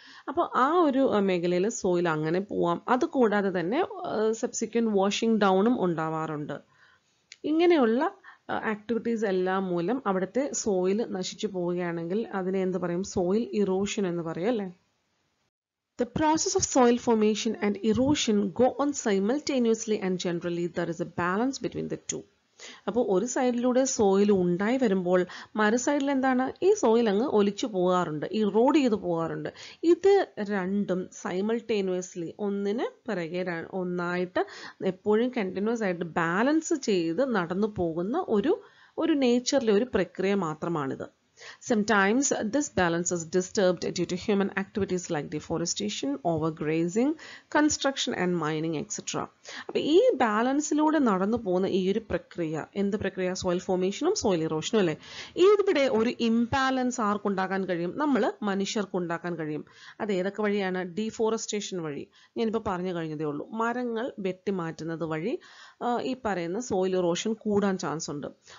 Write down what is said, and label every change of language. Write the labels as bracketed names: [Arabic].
[Malayalam] അപ്പോൾ ആ ഒരു മേഖലയിൽ സോയിൽ അങ്ങനെ പോവാം. അതുകൂടാതെ തന്നെ സബ്സിക്വന്റ് വാഷിംഗ് ഡൗണും ഉണ്ടാവാറുണ്ട്. ഇങ്ങനെയുള്ള ആക്ടിവിറ്റീസ് എല്ലാം മൂലം അവിടുത്തെ സോയിൽ നശിച്ചു പോവുകയാണെങ്കിൽ അതിനെ എന്ത് പറയും, സോയിൽ ഇറോഷൻ എന്ന് പറയും അല്ലേ. [English] The process of soil formation and erosion go on simultaneously and generally there is a balance between the two. [Malayalam] അപ്പോൾ ഒരു സൈഡിലൂടെ സോയിൽ ഉണ്ടായി വരുമ്പോൾ മറു സൈഡിൽ എന്താണ്, ഈ സോയിൽ അങ്ങ് ഒലിച്ചു പോകാറുണ്ട്, ഇറോഡ് ചെയ്ത് പോകാറുണ്ട്. ഇത് രണ്ടും സൈമൾട്ടേനിയസ്ലി ഒന്നിന് പിറകെ ഒന്നായിട്ട് എപ്പോഴും കണ്ടിന്യൂസ് ആയിട്ട് ബാലൻസ് ചെയ്ത് നടന്നു പോകുന്ന ഒരു ഒരു നേച്ചറിലെ ഒരു പ്രക്രിയ മാത്രമാണിത്. [English] Sometimes this balance is disturbed due to human activities like deforestation, overgrazing, construction and mining, etc. [Malayalam] അപ്പോൾ ഈ ബാലൻസിലൂടെ നടന്നു പോകുന്ന ഈ ഒരു പ്രക്രിയ, എന്ത് പ്രക്രിയ, സോയിൽ ഫോർമേഷനും സോയിൽ ഇറോഷനും അല്ലേ. ഇവിടെ ഒരു ഇംബാലൻസ് ആർക്കുണ്ടാക്കാൻ കഴിയും, നമ്മൾ മനുഷ്യർക്ക് ഉണ്ടാക്കാൻ കഴിയും. അത് ഏതൊക്കെ വഴിയാണ്, ഡീഫോറസ്റ്റേഷൻ വഴി. ഞാനിപ്പോൾ പറഞ്ഞു കഴിഞ്ഞതേ ഉള്ളൂ, മരങ്ങൾ വെട്ടിമാറ്റുന്നത് വഴി ഈ പറയുന്ന സോയിൽ ഇറോഷൻ കൂടാൻ ചാൻസ് ഉണ്ട്.